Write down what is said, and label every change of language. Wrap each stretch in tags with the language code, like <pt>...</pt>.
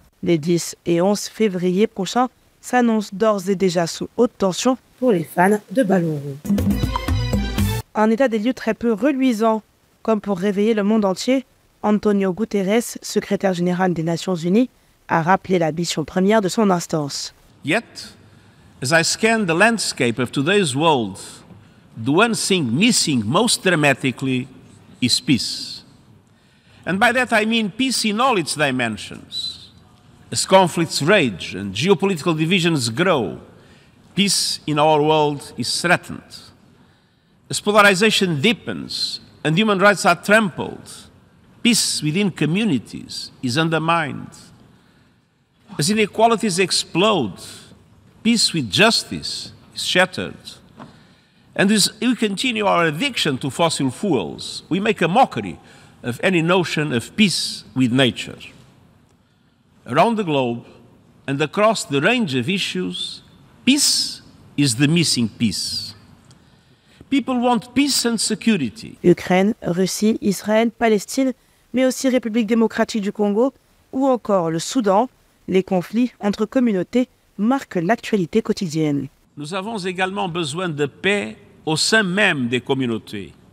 <fr>Les 10 et 11 février prochains s'annoncent d'ores et déjà sous haute tension pour les fans de Ballon Rond. un état des lieux très peu reluisant, comme pour réveiller le monde entier, Antonio Guterres, secrétaire général des Nations Unies, a rappelé la mission première de son instance.</fr> <en>Yet, as I scan the landscape of today's world, the one thing missing most dramatically is peace. And by that I mean peace in all its dimensions. As conflicts rage and geopolitical divisions grow, peace in our world is threatened. As polarization deepens and human rights are trampled, peace within communities is undermined. As inequalities explode, peace with justice is shattered. And as we continue our addiction to fossil fuels, we make a mockery of any notion of peace with nature. Around the globe and across the range of issues, peace is the missing piece. People want peace and security.</en> <fr>Ukraine, Russie, Israël, Palestine, mais aussi République démocratique du Congo ou encore le Soudan, les conflits entre communautés marquent l'actualité quotidienne. Nous avons également besoin de paix au sein même des communautés.</fr>